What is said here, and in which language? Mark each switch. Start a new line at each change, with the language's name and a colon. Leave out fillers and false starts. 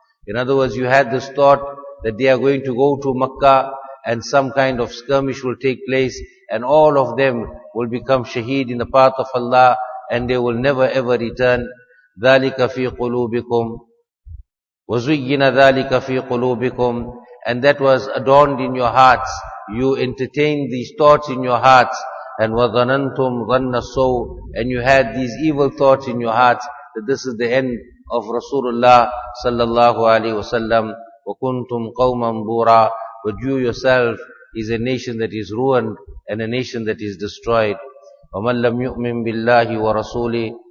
English: In other words, you had this thought that they are going to go to Makkah and some kind of skirmish will take place and all of them will become shaheed in the path of Allah and they will never ever return.
Arabic: ذَلِكَ فِي قُلُوبِكُمْ وَزُيِّنَ ذَلِكَ فِي قُلُوبِكُمْ.
English: And that was adorned in your hearts. You entertained these thoughts in your hearts. And
Arabic: وَظَنَنْتُمْ ظَنَّ السَّوْءِ.
English: And you had these evil thoughts in your hearts that this is the end of Rasulullah sallallahu alayhi wasallam.
Arabic: وَكُنْتُمْ قَوْمًا بُورًا.
English: But you yourself is a nation that is ruined and a nation that is destroyed.
Arabic: وَمَنْ لَمْ يُؤْمِنْ بِاللَّهِ وَرَسُولِهِ.